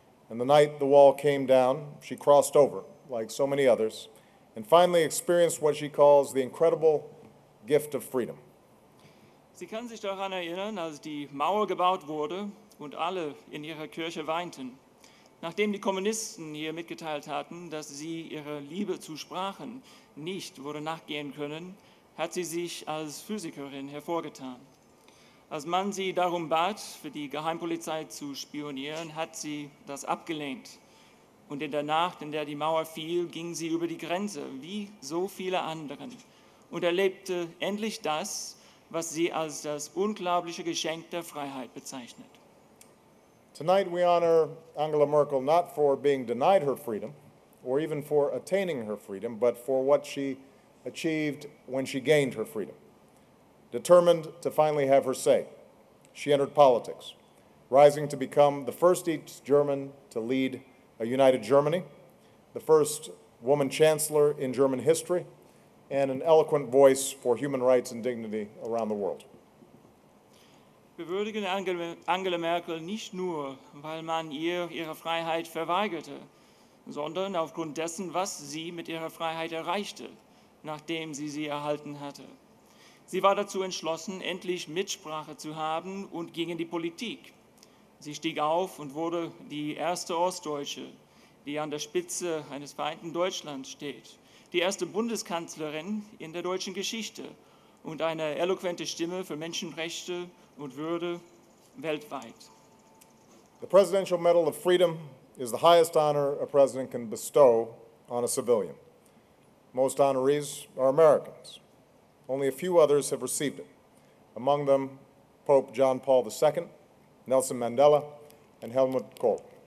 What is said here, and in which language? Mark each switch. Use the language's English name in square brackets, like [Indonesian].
[English] And the night the wall came down, she crossed over, like so many others, and finally experienced what she calls the incredible gift of freedom. [German] Sie kann sich daran erinnern, als die Mauer gebaut wurde und alle in ihrer Kirche weinten, nachdem die Kommunisten ihr mitgeteilt hatten, dass sie ihrer Liebe zu Sprachen nicht würde nachgehen können, hat sie sich als Physikerin hervorgetan. Als man sie darum bat, für die Geheimpolizei zu spionieren, hat sie das abgelehnt. Und in der Nacht, in der die Mauer fiel, ging sie über die Grenze, wie so viele anderen, und erlebte endlich das, was sie als das unglaubliche Geschenk der Freiheit bezeichnet. [English] Tonight we honor Angela Merkel not for being denied her freedom, or even for attaining her freedom, but for what she achieved when she gained her freedom. Determined to finally have her say, she entered politics, rising to become the first East German to lead a united Germany, the first woman chancellor in German history, and an eloquent voice for human rights and dignity around the world. [German] Wir würdigen Angela Merkel nicht nur, weil man ihr ihre Freiheit verweigerte, sondern aufgrund dessen, was sie mit ihrer Freiheit erreichte, nachdem sie sie erhalten hatte. Sie war dazu entschlossen, endlich Mitsprache zu haben und ging in die Politik. Sie stieg auf und wurde die erste Ostdeutsche, die an der Spitze eines vereinten Deutschlands steht, die erste Bundeskanzlerin in der deutschen Geschichte und eine eloquente Stimme für Menschenrechte und Würde weltweit. [English] The Presidential Medal of Freedom is the highest honor a president can bestow on a civilian. Most honorees are Americans. Only a few others have received it. Among them, Pope John Paul II, Nelson Mandela, and Helmut Kohl.